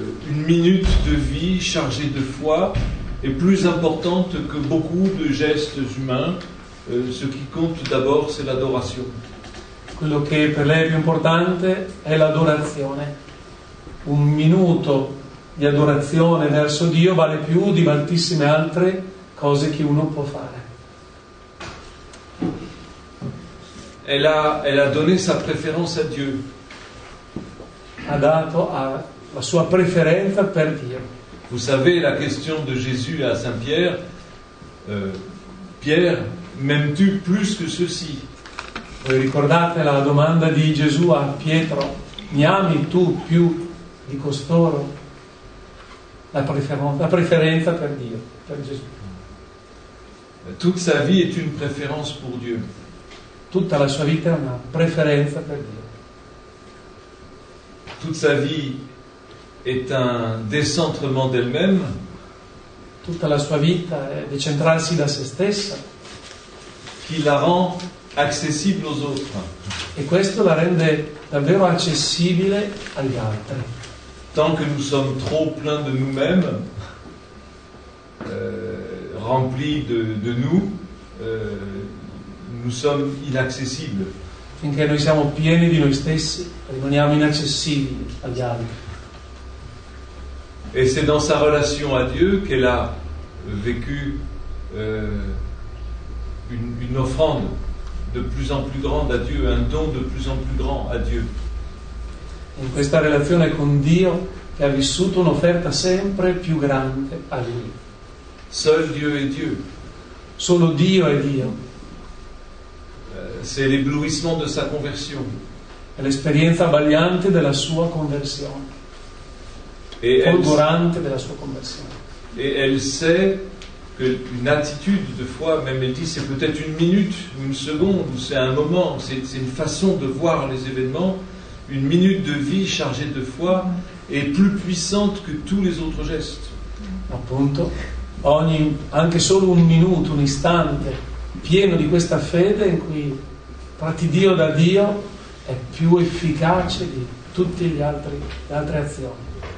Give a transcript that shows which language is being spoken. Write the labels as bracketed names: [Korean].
[French] Une minute de vie chargée de foi est plus importante que beaucoup de gestes humains. Ce qui compte d'abord, c'est l'adoration. [Italian] Quello che per lei è più importante è l'adorazione. Un minuto di adorazione verso Dio vale più di moltissime altre cose che uno può fare. [French] Elle a donné sa préférence à Dieu. [Italian] Ha dato la sua preferenza per Dio. [French] Vous savez la question de Jésus à Saint Pierre. Pierre, m'aimes-tu plus que ceci? [Italian] Voi ricordate la domanda di Gesù a Pietro? Mi ami tu più di costoro? La preferenza per Dio, per Gesù. [French] Toute sa vie est une préférence pour Dieu. [Italian] Tutta la sua vita è una preferenza per Dio. [French] Toute sa vie est un décentrement d'elle-même. [Italian] Tutta la sua vita è decentrarsi da se stessa. [French] Qui la rend accessible aux autres. [Italian] E questo la rende davvero accessibile agli altri. [French] Tant que nous sommes trop pleins de nous-mêmes, remplis de nous, nous sommes inaccessibles. [Italian] Finché noi siamo pieni di noi stessi, rimaniamo inaccessibili agli altri. [French] Et c'est dans sa relation à Dieu qu'elle a vécu une offrande de plus en plus grande à Dieu, un don de plus en plus grand à Dieu. [Italian] In questa relazione con Dio che ha vissuto un'offerta sempre più grande a lui. [French] Seul Dieu est Dieu. [Italian] Solo Dio è Dio. [French] C'est l'éblouissement de sa conversion. [Italian] È l'esperienza abbagliante della sua conversione. [French] Et [Italian] fulgurante della sua conversione. [French] Et elle sait que une attitude de foi, même elle dit, c'est peut-être une minute ou une seconde, c'est un moment, c'est une façon de voir les événements. Une minute de vie chargée de foi est plus puissante que tous les autres gestes. [Italian] Appunto, ogni, anche solo un minuto, un istante, pieno di questa fede in cui tratti Dio da Dio, è più efficace di tutte le altre azioni.